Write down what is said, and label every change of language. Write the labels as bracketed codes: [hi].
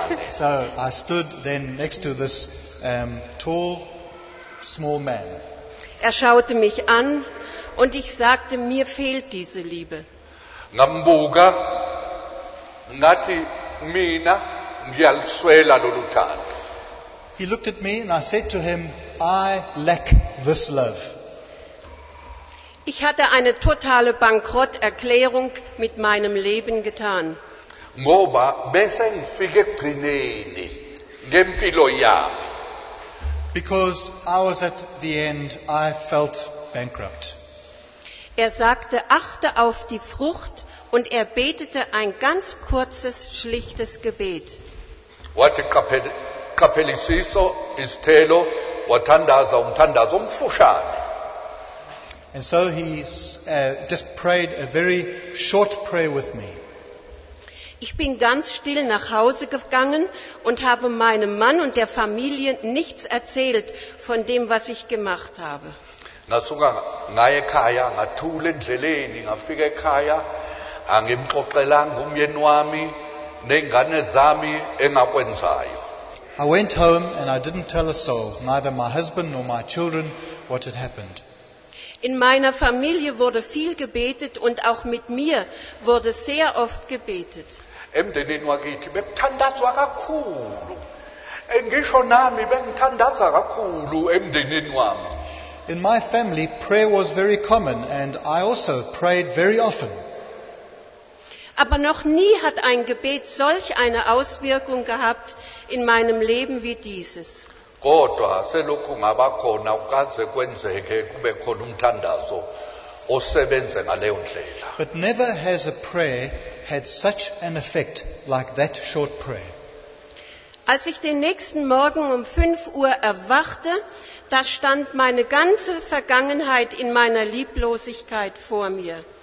[en] So I stood then next to this tall, small man. [de] Er schaute mich an und ich sagte, mir fehlt diese Liebe. [zu] Ngambuka ngathi mina ngiyaluswela lolu thando. [en] He looked at me and I said to him, I lack this love. [de] Ich hatte eine totale Bankrotterklärung mit meinem Leben getan. [zu] Ngoba bese ngifike ekugcineni ngempilo yami. [en] Because I was at the end, I felt bankrupt. [de] Er sagte, achte auf die Frucht und er betete ein ganz kurzes, schlichtes Gebet. [en] What a capital. [zu] Kapelisiso isthelo wathandaza umthandazo omfushane. [en] And so he just prayed a very short prayer with me. [de] Ich bin ganz still nach Hause gegangen und habe meinem Mann und der Familie nichts erzählt von dem, was ich gemacht habe. [zu] Ngasuka ngaye ekhaya ngathula endleleni ngafika ekhaya angimxoxelanga umyeni wami nengane zami engakwenzayo. [en] I went home and I didn't tell a soul, neither my husband nor my children, what had happened. [de] In meiner Familie wurde viel gebetet und auch mit mir wurde sehr oft gebetet. [zu] Emdenini wakithi bekuthandazwa kakhulu. Ngisho nami bengithandaza kakhulu emdenini wami. [en] In my family, prayer was very common and I also prayed very often. [de] Aber noch nie hat ein Gebet solch eine Auswirkung gehabt in meinem Leben wie dieses. [zu] Kodwa selokhu ngaba khona ukaze kwenzeke kube khona umthandazo osebenze ngale ndlela. [en] But never has a prayer had such an effect like that short prayer. [de] Als ich den nächsten Morgen um 5 Uhr erwachte, da stand meine ganze Vergangenheit in meiner Lieblosigkeit vor mir.